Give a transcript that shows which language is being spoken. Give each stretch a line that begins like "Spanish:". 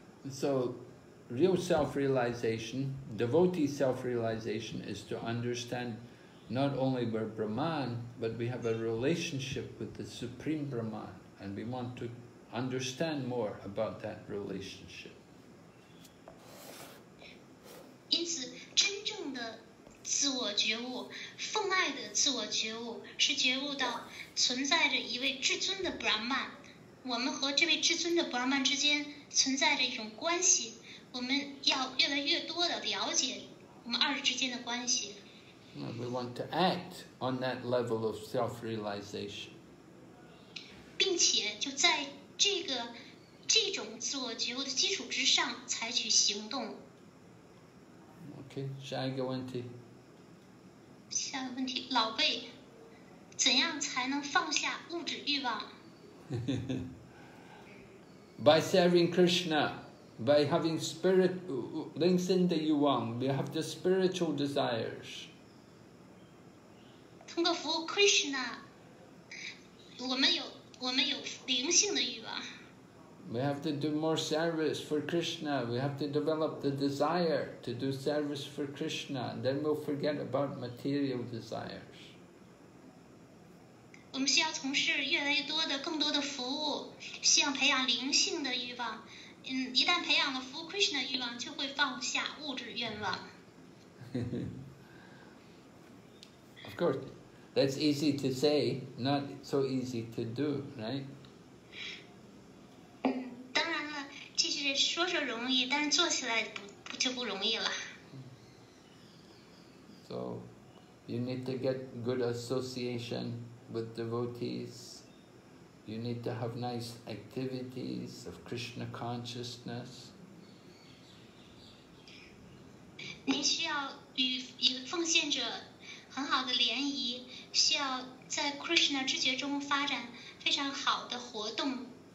English: So real self-realization, devotee self-realization is to understandNot only we're Brahman, but we have a relationship with the Supreme Brahman, and we want to understand more about that relationship.
Chinese: 因此，真正的自我觉悟，奉爱的自我觉悟，是觉悟到存在着一位至尊的 Brahman. 我们和这位至尊的 Brahman 之间存在着一种关系。我们要越来越多的了解我们二之间的关系。
English: We want to act on that level of self-realization.
Chinese: 并且就在这种自我觉悟的基础之上采取行动。 Okay, 下一个问题。下一个问题，老贝，怎样才能放下物质欲望？
English: By serving Krishna, by having spirit, links in the yu wang, we have the spiritual desires.
Chinese: 通过服务 Krishna, 我们有灵性的欲望。
English: We have to do more service for Krishna. We have to develop the desire to do service for Krishna. Then we'll forget about material desires.
Chinese: 我们需要从事越来越多的、更多的服务，需要培养灵性的欲望。一旦培养了服务 Krishna 欲望，就会放下物质愿望。
English: Of course. That's easy to say, not so easy to do, right?
Chinese: 当然了，其实说说容易，但是做起来就不容易了。
English: So, you need to get good association with devotees. You need to have nice activities of Krishna consciousness.
Chinese: 您需要与一个奉献者很好的联谊，需要在 Krishna 知觉中发展非常好的活动。